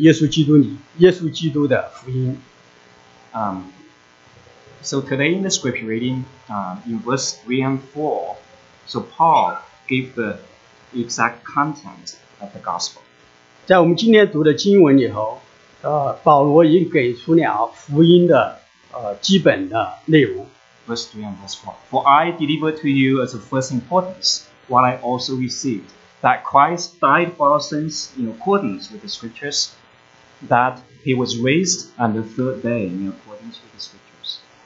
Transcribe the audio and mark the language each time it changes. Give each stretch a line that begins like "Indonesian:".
Chinese: 现在神对我们仍然有忍耐，给我们一个解决的方法，那就是耶稣基督的福音。
English: So today in the scripture reading, in verse 3 and 4, so Paul gave the exact content of the gospel.
Chinese: 在我们今天读的经文里头，保罗已经给出了福音的基本的内容。
English: Verse 3 and verse 4. For I delivered to you as of first importance what I also received, that Christ died for our sins in accordance with the scriptures, that he was raised on the third day in accordance with the scriptures.